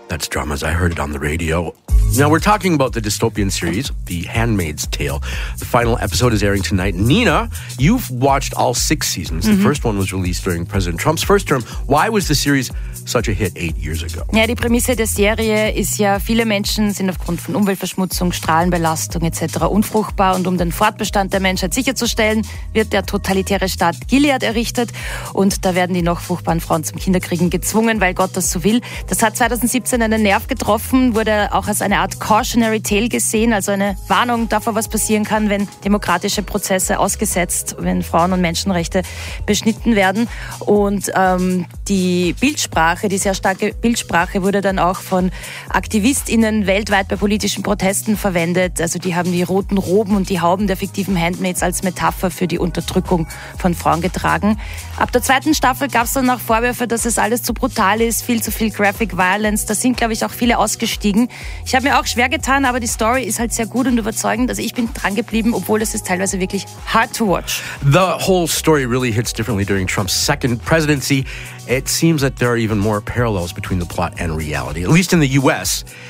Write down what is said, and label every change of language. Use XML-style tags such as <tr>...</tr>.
<en>Dramas, I heard it on the radio. Now we're talking about the dystopian series, The Handmaid's Tale. The final episode is airing tonight. Nina, you've watched all 6 seasons. Mm-hmm. The first one was released during President Trump's first term. Why was the series such a hit 8 years ago?</en> <de>Ja, die Prämisse der Serie ist ja, viele Menschen sind aufgrund von Umweltverschmutzung, Strahlenbelastung etc. unfruchtbar. Und um den Fortbestand der Menschheit sicherzustellen, wird der totalitäre Staat Gilead errichtet. Und da werden die noch fruchtbaren Frauen zum Kinderkriegen gezwungen, weil Gott das so will. Das hat 2017 einen Nerv getroffen, wurde auch als eine Art Cautionary Tale gesehen, also eine Warnung davor, was passieren kann, wenn demokratische Prozesse ausgesetzt, wenn Frauen- und Menschenrechte beschnitten werden. Und die Bildsprache, die sehr starke Bildsprache, wurde dann auch von AktivistInnen weltweit bei politischen Protesten verwendet. Also die haben die roten Roben und die Hauben der fiktiven Handmaids als Metapher für die Unterdrückung von Frauen getragen. Ab der zweiten Staffel gab es dann auch Vorwürfe, dass es alles zu brutal ist, viel zu viel Graphic Violence. Da sind, glaube ich, auch viele ausgestiegen. Ich habe mir auch schwer getan, aber die Story ist halt sehr gut und überzeugend. Also ich bin dran geblieben, obwohl es ist teilweise wirklich</de> <en>hard to watch. The whole story really hits differently during Trump's second presidency. It seems that there are even more parallels between the plot and reality, at least in the US.</en>